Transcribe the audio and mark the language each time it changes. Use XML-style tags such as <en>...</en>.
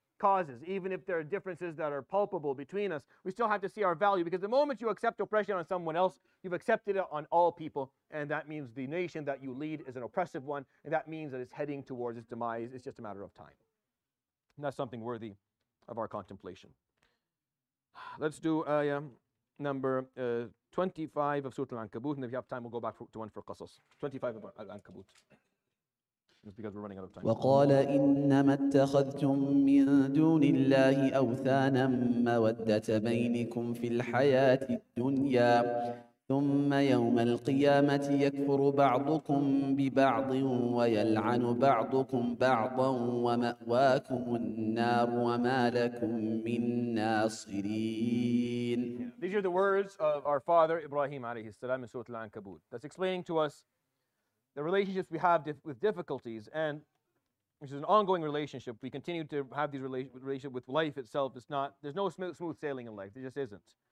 <en>causes, even if there are differences that are palpable between us, we still have to see our value, because the moment you accept oppression on someone else, you've accepted it on all people, and that means the nation that you lead is an oppressive one, and that means that it's heading towards its demise. It's just a matter of time. And that's something worthy of our contemplation. Let's do number 25 of Surah Al-Ankabut, and if you have time, we'll go back to one for Qasas. 25 of Al-Ankabut.</en> <ar>وقال إنما اتخذتم من دون الله أوثانا مودة بينكم في الحياة الدنيا ثم يوم القيامة يكفر بعضكم ببعض ويلعن بعضكم بعضا ومأواكم النار وما لكم من ناصرين.</ar> <en>These are the words of our father Ibrahim عليه السلام in Surah Al-Ankabut. That's explaining to us the relationships we have with difficulties, and which is an ongoing relationship. We continue to have these relationship with life itself. It's not, there's no smooth sailing in life. There just isn't.</en>